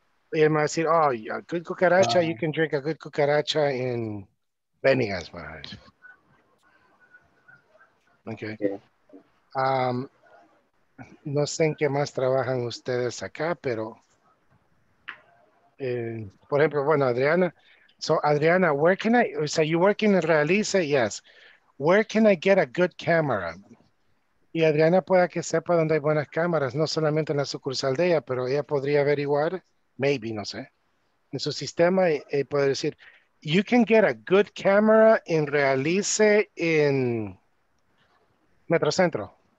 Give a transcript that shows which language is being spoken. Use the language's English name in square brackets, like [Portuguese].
[Spanish] Y él me va a decir, [English] oh, a good cucaracha, you can drink a good cucaracha in Benigas, my friend. Okay. [Spanish] No sé en qué más trabajan ustedes acá, pero por ejemplo, bueno, Adriana. [English] So, Adriana, where can I, so you work in Realize? Yes. Where can I get a good camera? [Spanish] Y Adriana pueda que sepa dónde hay buenas cámaras, no solamente en la sucursal de ella, pero ella podría averiguar, maybe, no sé, en su sistema y poder decir, [English] you can get a good camera in Realize in Metrocentro.